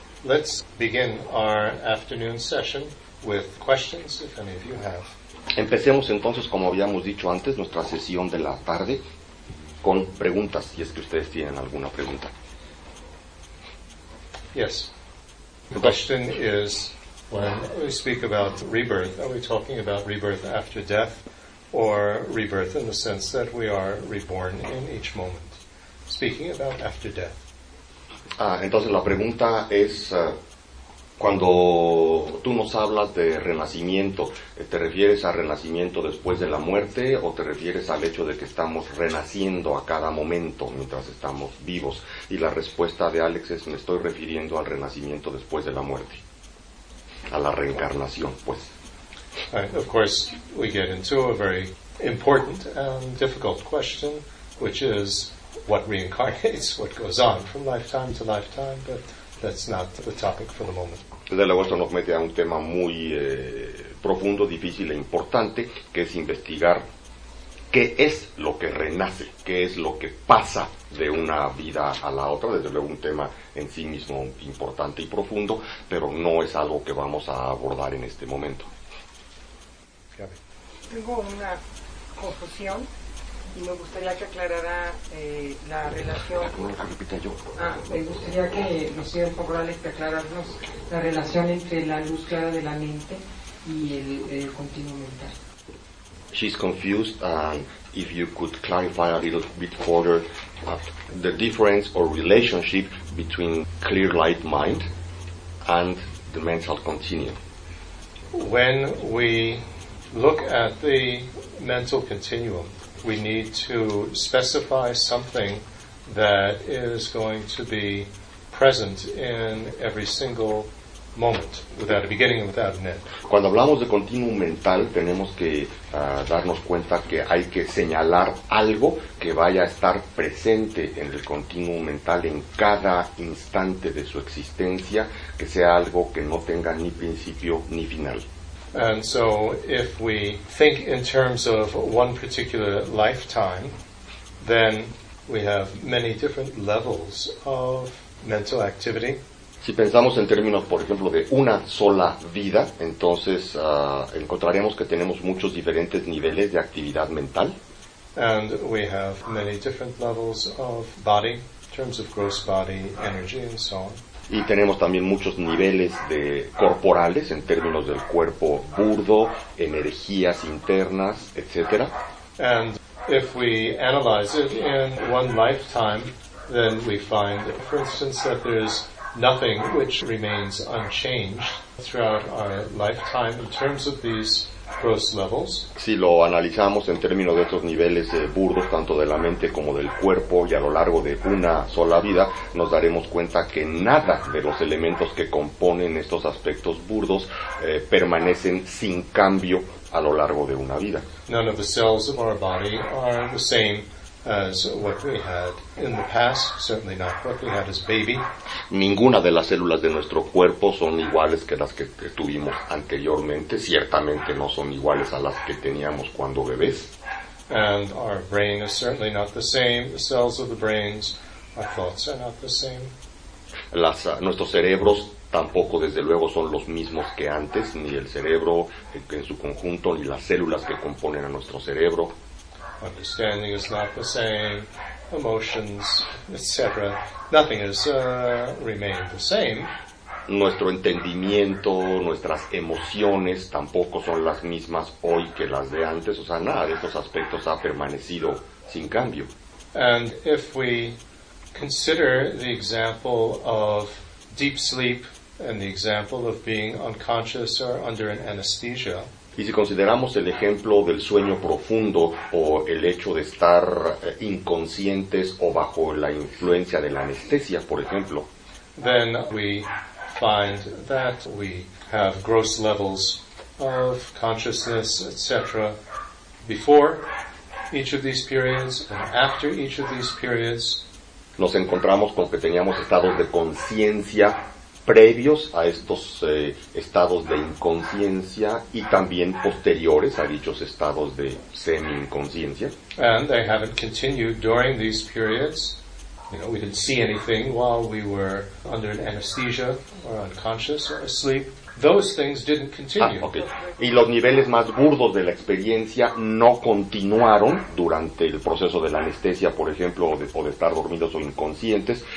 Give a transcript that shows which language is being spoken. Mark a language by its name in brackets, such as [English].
[English] Let's begin our afternoon session with questions, if any of you have. [Spanish] Empecemos entonces, como habíamos dicho antes, nuestra sesión de la tarde con preguntas, si es que ustedes tienen alguna pregunta. [English] Yes. The question is, when we speak about rebirth, are we talking about rebirth after death or rebirth in the sense that we are reborn in each moment? Speaking about after death. [Spanish] Ah, entonces la pregunta es, cuando tú nos hablas de renacimiento, ¿te refieres a renacimiento después de la muerte o te refieres al hecho de que estamos renaciendo a cada momento mientras estamos vivos? Y la respuesta de Alex es, me estoy refiriendo al renacimiento después de la muerte, a la reencarnación, pues. [English] Of course, we get into a very important and difficult question, which is, what reincarnates, what goes on from lifetime to lifetime, but that's not the topic for the moment. Desde luego esto nos mete a un tema muy profundo, difícil e importante, que es investigar qué es lo que renace, qué es lo que pasa de una vida a la otra. Desde luego un tema en sí mismo importante y profundo, pero no es algo que vamos a abordar en este momento. Gabi. Tengo una confusión y me gustaría que aclarara la relación. Me gustaría que nos diera un poco la lista, aclararnos la relación entre la luz clara de la mente y el continuo mental. She's confused, and if you could clarify a little bit further the difference or relationship between clear light mind and the mental continuum. When we look at the mental continuum, we need to specify something that is going to be present in every single moment, without a beginning and without an end. [Spanish] Cuando hablamos de continuum mental, tenemos que darnos cuenta que hay que señalar algo que vaya a estar presente en el continuum mental en cada instante de su existencia, que sea algo que no tenga ni principio ni final. [English] And so if we think in terms of one particular lifetime, then we have many different levels of mental activity. [Spanish] Si pensamos en términos, por ejemplo, de una sola vida, entonces encontraremos que tenemos muchos diferentes niveles de actividad mental. [English] And we have many different levels of body, in terms of gross body, energy, and so on. [Spanish] Y tenemos también muchos niveles de corporales en términos del cuerpo burdo, energías internas, etc. [English] And if we analyze it in one lifetime, then we find, for instance, that there's nothing which remains unchanged throughout our lifetime in terms of these gross levels. [Spanish] Si lo analizamos en términos de estos niveles burdos, tanto de la mente como del cuerpo, y a lo largo de una sola vida, nos daremos cuenta que nada de los elementos que componen estos aspectos burdos permanecen sin cambio a lo largo de una vida. [English] None of the cells of our body are the same as what we had in the past, certainly not what we had as baby. [Spanish] Ninguna de las células de nuestro cuerpo son iguales que las que tuvimos anteriormente, ciertamente no son iguales a las que teníamos cuando bebés. [English] And our brain is certainly not the same, the cells of the brains, our thoughts are not the same. [Spanish] Nuestros cerebros tampoco, desde luego, son los mismos que antes, ni el cerebro en su conjunto, ni las células que componen a nuestro cerebro. [English] Understanding is not the same, emotions, etc. Nothing has remained the same. [Spanish] Nuestro entendimiento, nuestras emociones tampoco son las mismas hoy que las de antes. O sea, nada de estos aspectos ha permanecido sin cambio. [English] And if we consider the example of deep sleep and the example of being unconscious or under an anesthesia, [Spanish] y si consideramos el ejemplo del sueño profundo o el hecho de estar inconscientes o bajo la influencia de la anestesia, por ejemplo, [English] then we find that we have gross levels of consciousness, etc., before each of these periods and after each of these periods. [Spanish] Nos encontramos con que teníamos estados de conciencia previos a estos estados de inconsciencia y también posteriores a dichos estados de semi-inconsciencia. [English] And they haven't continued during these periods. You know, we didn't see anything while we were under an anesthesia or unconscious or asleep. Those things didn't continue. Ah, okay. [Spanish] Y los niveles más burdos de la experiencia no continuaron durante el proceso de la anestesia, por ejemplo, o de estar dormidos o inconscientes.